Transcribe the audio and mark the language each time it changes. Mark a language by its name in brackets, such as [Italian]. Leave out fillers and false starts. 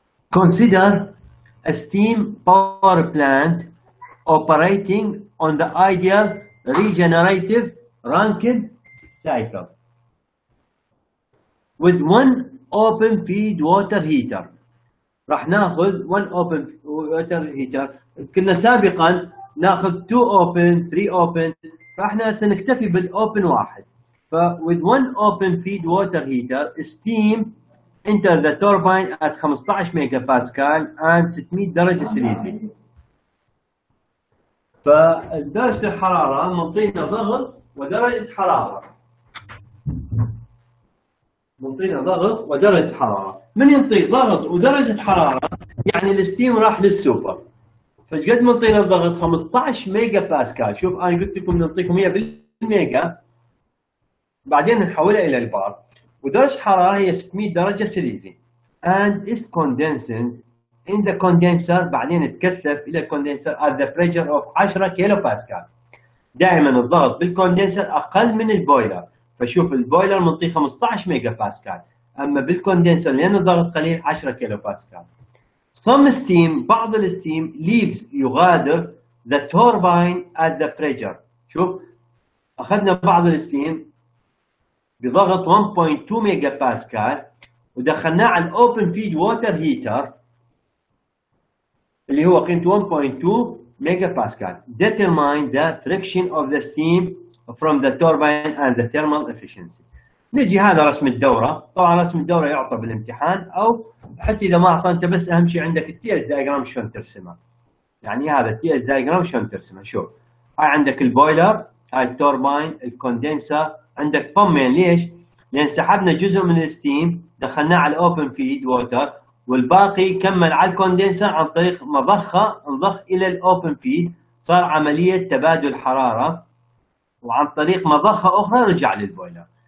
[English] Consider a steam power plant operating on the ideal regenerative Rankine cycle with one open feed water heater. [Arabic] راح ناخذ 1 اوبن ووتر هيتر، كنا سابقا ناخذ 2 اوبن 3 اوبن، فاحنا سنكتفي بالاوبن واحد. ف with 1 اوبن فيد ووتر هيتر ستيم [English] enter the turbine at 15 megapascal and 600 [Arabic] درجة سليزي. فدرجة الحرارة منطينا ضغط ودرجة حرارة. منطينا ضغط ودرجة حرارة. من ينطي ضغط ودرجة حرارة يعني الستيم راح للسوبر. فش قد منطينا الضغط 15 ميجا باسكال. شوف أنا قلت لكم ننطيكم هي بالميجا. بعدين نحولها إلى البار. ودرجة حرارة هي 600 درجة سليزي. [English] And is condensing in the condenser. [Arabic] بعدين تكثف إلى [English] condenser at the pressure of 10 [Arabic] كيلو باسكال. دائما الضغط بالكوندنسر أقل من البويلر. فشوف البويلر منطي 15 ميجا باسكال. أما بالكوندنسر لأن الضغط قليل 10 كيلو باسكال. Some steam, بعض الستيم leaves, يغادر the turbine at the pressure. شوف أخذنا بعض الستيم بضغط 1.2 ميجا باسكال ودخلناه على open feed water heater اللي هو قيمته 1.2 ميجا باسكال. [English] Determine the friction of the steam from the turbine and the thermal efficiency. [Arabic] نجي هذا رسم الدورة. طبعا رسم الدورة يعطى بالامتحان أو حتى إذا ما أعطى أنت بس أهم شيء عندك الـ TS diagram شلون ترسمه. يعني هذا الـ TS diagram شلون ترسمه. شوف هاي عندك البويلر، هاي التوربين، الكوندنسر، عندك بومين. ليش؟ لأن سحبنا جزء من الستيم دخلناه على الأوبن فيد ووتر والباقي كمل على الكوندنسر عن طريق مضخة انضخ إلى الأوبن فيد، صار عملية تبادل حرارة وعن طريق مضخة أخرى رجع للبويلر.